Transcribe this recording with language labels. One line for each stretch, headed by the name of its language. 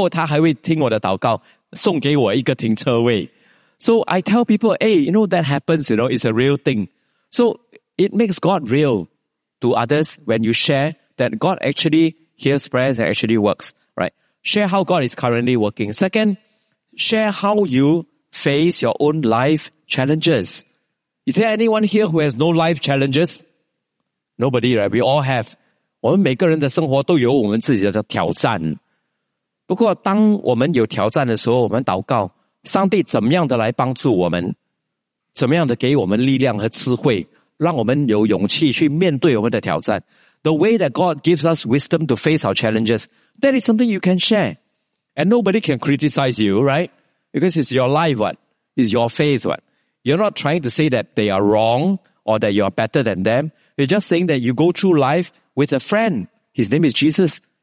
Chinese: 上帝垂听我的祷告,我需要一个停车位。当我回来的时候,虽然很晚,有时候他还会听我的祷告,送给我一个停车位。
English: So I tell people, hey, you know, that happens, you know, it's a real thing. So it makes God real to others when you share that God actually hears prayers and actually works, right? Share how God is currently working. Second, share how you face your own life challenges. Is there anyone here who has no life challenges? Nobody, right? We all have.
Chinese: 我们每个人的生活都有我们自己的挑战。不过当我们有挑战的时候,我们祷告, 上帝怎么样的来帮助我们? 怎么样的给我们力量和智慧?让我们有勇气去面对我们的挑战?
English: The way that God gives us wisdom to face our challenges, that is something you can share. And nobody can criticize you, right? Because it's your life, what? It's your faith, what? You're not trying to say that they are wrong or that you are better than them. You're just saying that you go through life with a friend. His name is Jesus.